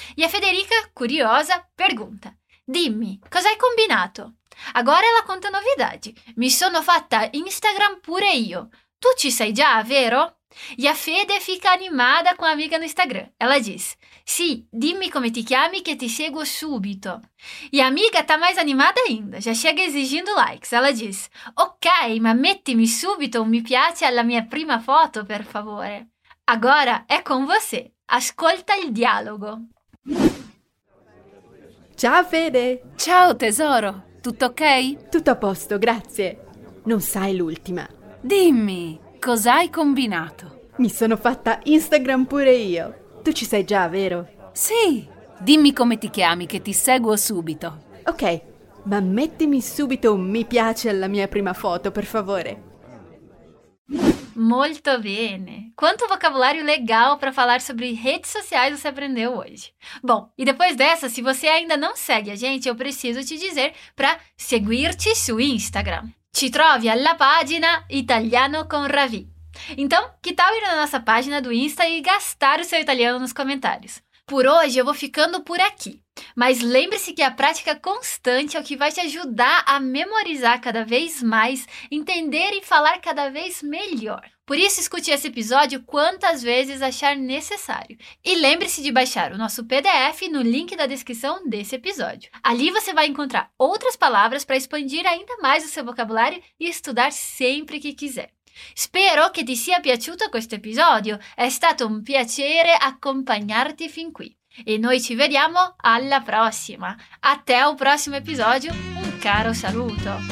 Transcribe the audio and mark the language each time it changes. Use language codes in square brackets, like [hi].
[pt] E a Federica, curiosa, pergunta, [it] dimmi, cosa hai combinato? [pt] Agora ela conta a novidade, [it] mi sono fatta Instagram pure io, tu ci sei già, vero? [pt] E a Fede fica animada com a amiga no Instagram. Ela diz, [it] sì, dimmi come ti chiami che ti seguo subito. [pt] E a amiga tá mais animada ainda, já chega exigindo likes. Ela diz, [it] ok, ma mettimi subito un mi piace alla mia prima foto, per favore. [pt] Agora é com você. [it] Ascolta il dialogo. Ciao Fede. Ciao tesoro. Tutto ok? Tutto a posto, grazie. Non sai l'ultima. Dimmi. Cos'hai combinato? Mi sono fatta Instagram pure io. Tu ci sei già, vero? Sì. Dimmi come ti chiami, che ti seguo subito. Ok, ma mettimi subito un mi piace alla mia prima foto, per favore. Molto bene! [pt] Quanto vocabulário legal para falar sobre redes sociais você aprendeu hoje. Bom, e depois dessa, se você ainda não segue a gente, eu preciso te dizer para seguir-te no Instagram. [it] Ci trovi alla pagina Italiano con Ravi. [pt] Então, que tal ir na nossa página do Insta e gastar o seu italiano nos comentários? Por hoje eu vou ficando por aqui. Mas lembre-se que a prática constante é o que vai te ajudar a memorizar cada vez mais, entender e falar cada vez melhor. Por isso, escute esse episódio quantas vezes achar necessário. E lembre-se de baixar o nosso PDF no link da descrição desse episódio. Ali você vai encontrar outras palavras para expandir ainda mais o seu vocabulário e estudar sempre que quiser. [it] Spero che ti sia piaciuto questo episodio. È stato un piacere accompagnarti fin qui. E noi ci vediamo alla prossima. [pt] Até o próximo episódio. [it] Um caro saluto.